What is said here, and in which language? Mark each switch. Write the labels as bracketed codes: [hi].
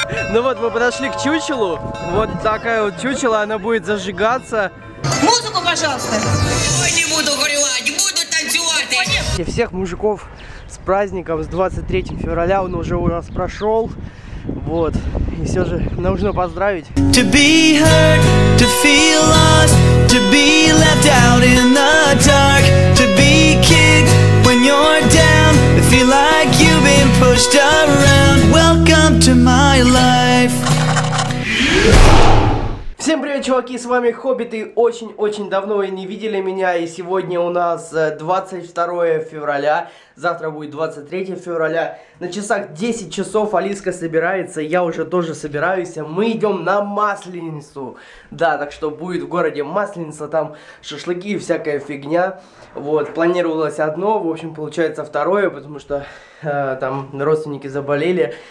[ru] Ну вот, мы подошли к чучелу. Вот такая вот чучело, она будет зажигаться. Музыку, пожалуйста. Ой, не буду горевать, буду танцевать. Всех мужиков с праздником, с 23 февраля, он уже у нас прошел. Вот, и все же нужно поздравить. [en] To be heard, to feel lost, to be left out in the dark, to be kicked when you're down, to feel like you've been pushed around, welcome to my life. [ru] Всем привет, чуваки, с вами Хоббит, и очень-очень давно вы не видели меня, и сегодня у нас 22 февраля, завтра будет 23 февраля, на часах 10 часов Алиска собирается, я уже тоже собираюсь, мы идем на Масленицу, да, так что будет в городе Масленица, там шашлыки и всякая фигня, вот, планировалось одно, в общем, получается второе, потому что там родственники заболели.